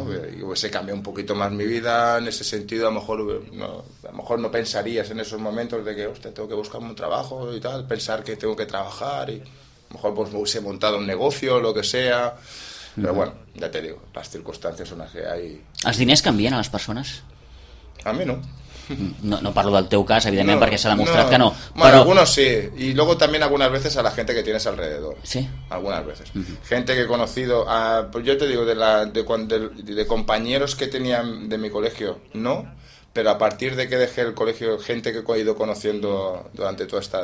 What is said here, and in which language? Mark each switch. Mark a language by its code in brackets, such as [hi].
[es] Uh-huh. Y pues, se cambió un poquito más mi vida en ese sentido. A lo mejor no pensarías en esos momentos de que, hostia, tengo que buscarme un trabajo y tal, pensar que tengo que trabajar y a lo mejor pues me hubiese montado un negocio o lo que sea. Uh-huh. Pero bueno, ya te digo, las circunstancias son las que hay. [ca] ¿Els diners canvien a les persones? [es] A mí no. [ca] No parlo del teu cas, evidentment, no, perquè s'ha demostrat no. que no. [es] Bueno, però... algunos sí. Y luego también algunas veces a la gente que tienes alrededor. Sí. Algunas veces. Uh-huh. Gente que he conocido, pues yo te digo, de compañeros que tenían de mi colegio, no, pero a partir de que dejé el colegio, gente que he ido conociendo durante toda esta...